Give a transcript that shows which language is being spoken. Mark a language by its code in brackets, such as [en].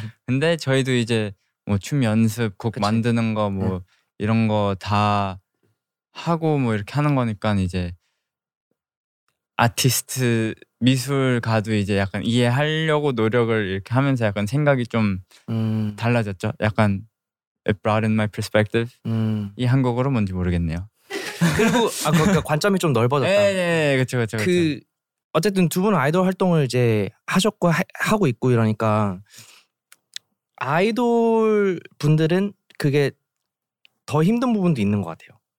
[ko] 근데 저희도 이제 뭐 춤 연습, 곡 그치. 만드는 거 뭐 이런 거 다 하고 뭐 이렇게 하는 거니까 이제 아티스트 미술가도 이제 약간 이해하려고 노력을 이렇게 하면서 약간 생각이 좀 달라졌죠. [en] 약간 it broadened my perspective. [ko] 이 한국어로 뭔지 모르겠네요. 그리고 그러니까 관점이 좀 넓어졌다. 네, 그렇죠, 그렇죠. 그 어쨌든 두 분 아이돌 활동을 이제 하셨고 하고 있고 이러니까 아이돌 분들은 그게 더 힘든 부분도 있는 것 같아요.